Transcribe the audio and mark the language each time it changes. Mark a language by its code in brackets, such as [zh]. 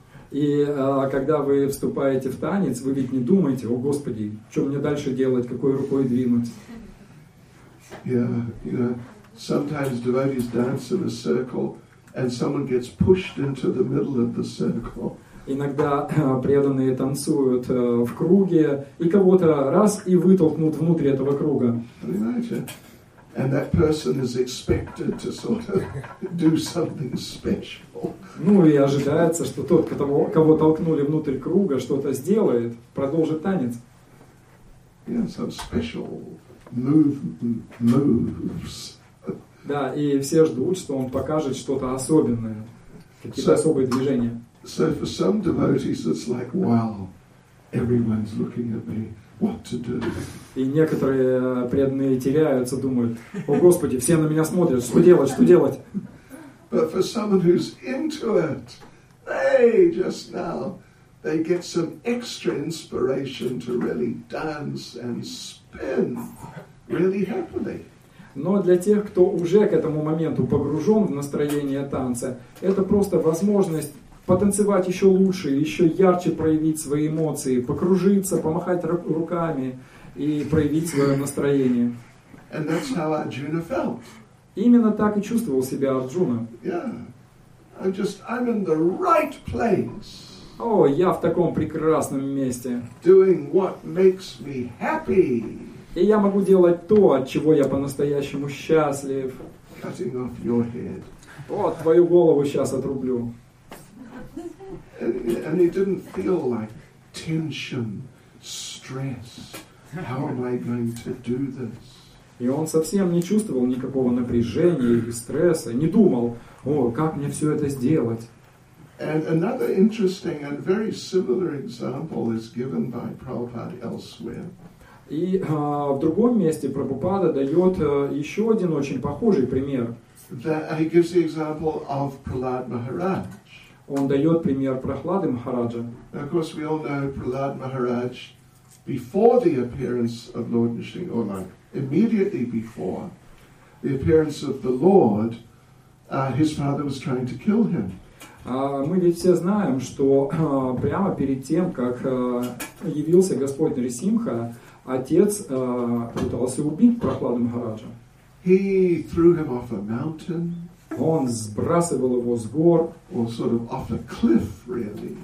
[ru] И когда вы вступаете в танец, вы ведь не думаете, о Господи, что мне дальше делать, какой рукой двинуть? [en] Yeah, you know, sometimes devotees dance in a circle. And someone gets pushed into the middle of the circle. [ru] Иногда преданные танцуют в круге, и кого-то раз и вытолкнут внутрь этого круга. Понимаете? [en] And that person is expected to sort of do something special. [ru] Ну и ожидается, что тот, кого толкнули внутрь круга, что-то сделает, продолжит танец. [en] Yeah, some special moves. [ru] Да, и все ждут, что он покажет что-то особенное, какие-то особые движения. [en] So for some devotees it's like, wow, everyone's looking at me, what to do? [ru] И некоторые преданные теряются, думают, о Господи, все на меня смотрят, что делать, что делать? [en] But for someone who's into it, they just now, they get some extra inspiration to really dance and spin really happily. [ru] Но для тех, кто уже к этому моменту погружен в настроение танца, это просто возможность потанцевать еще лучше, еще ярче проявить свои эмоции, покружиться, помахать руками и проявить свое настроение. [en] And that's how Arjuna felt. [ru] Именно так и чувствовал себя Арджуна. [en] Yeah. I'm in the right place. [ru] О, я в таком прекрасном месте. [en] Doing what makes me happy. [ru] И я могу делать то, от чего я по-настоящему счастлив. [en] Cutting off your head. [ru] Вот, твою голову сейчас отрублю. [en] And it didn't feel like tension, stress. How am I going to do this? [ru] И он совсем не чувствовал никакого напряжения или стресса, не думал, о, как мне все это сделать. [en] And another interesting and very similar example is given by Prabhupada elsewhere. [ru] И в другом месте Прабхупада дает еще один очень похожий пример. [en] He gives the example of Prahlad Maharaj. [ru] Он дает пример Прахлады Махараджа. [en] Of course, we all know Prahlad Maharaj before the appearance of Lord Nrisimha, or like immediately before the appearance of the Lord, his father was trying to kill him. [ru] Мы ведь все знаем, что прямо перед тем, как явился Господь Нрисимха, отец пытался убить Прахлада Махараджа. [en] He threw him off a mountain. [ru] Он сбрасывал его с гор. [en] Or sort of off a cliff, really.